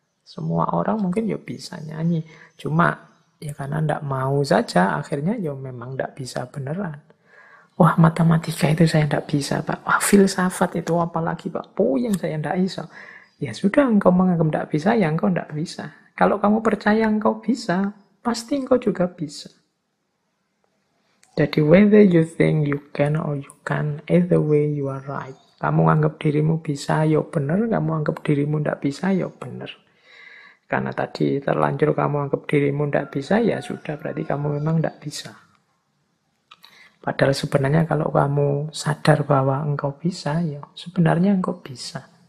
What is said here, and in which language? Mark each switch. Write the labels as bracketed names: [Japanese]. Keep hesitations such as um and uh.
[Indonesian] Semua orang mungkin ya bisa nyanyi. Cuma ya karena tidak mau saja, akhirnya ya memang tidak bisa beneran. Wah matematika itu saya tidak bisa pak. Wah filsafat itu apalagi pak. Puyeng oh, saya tidak bisa. Ya sudah, engkau menganggap tidak bisa, ya engkau tidak bisa. Kalau kamu percaya engkau bisa, pasti engkau juga bisa. Jadi, [English] whether you think you can or you can, either way you are right. [Indonesian] Kamu anggap dirimu bisa, ya benar. Kamu anggap dirimu tidak bisa, ya benar. Karena tadi terlanjur kamu anggap dirimu tidak bisa, ya sudah, berarti kamu memang tidak bisa. Padahal sebenarnya kalau kamu sadar bahwa engkau bisa, ya sebenarnya engkau bisa.